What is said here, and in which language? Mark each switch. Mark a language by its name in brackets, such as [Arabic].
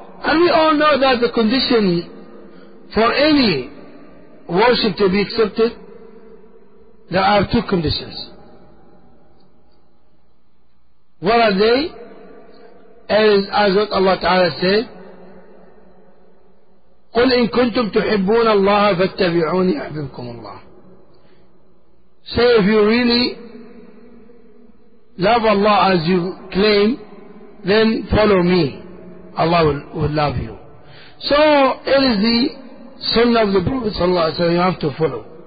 [English] And we all know that the condition for any worship to be accepted, there are two conditions. What are they? As what Allah Ta'ala said, [Arabic] قُلْ إِن كُنْتُمْ تُحِبُّونَ اللَّهَ فَاتَّبِعُونِ أَحْبِبْكُمُ اللَّهِ. [English] Say, if you really love Allah as you claim, then follow me. Allah will love you. So it is the sunnah of the Prophet sallallahu alaihi wasallam, you have to follow.